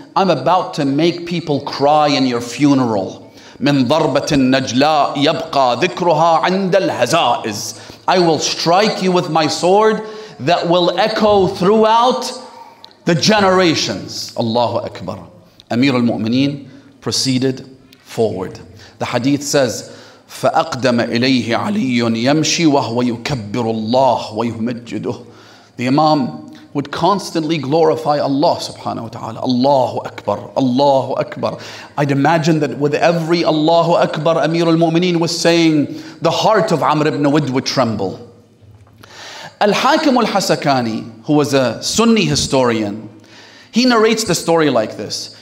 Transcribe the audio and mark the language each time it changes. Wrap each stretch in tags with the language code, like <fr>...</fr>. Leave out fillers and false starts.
<en>I'm about to make people cry in your funeral.</en> <ar>مِنْ ضَرْبَةٍ نَجْلَاءِ يَبْقَى ذِكْرُهَا عِنْدَ الْهَزَائِزِ.</ar> <en>I will strike you with my sword that will echo throughout the generations. Allahu Akbar. Amir al-Mu'mineen proceeded forward. The hadith says,</en> <ar>فَأَقْدَمَ إِلَيْهِ عَلِيٌّ يَمْشِي وَهُوَ يُكَبِّرُ اللَّهُ وَيُمَجِّدُهُ.</ar> <en>The Imam would constantly glorify Allah subhanahu wa ta'ala. Allahu Akbar, Allahu Akbar. I'd imagine that with every Allahu Akbar, Amir al-Mu'mineen was saying, the heart of Amr ibn Wahb would tremble. Al-Hakim al-Hasakani, who was a Sunni historian, he narrates the story like this.</en>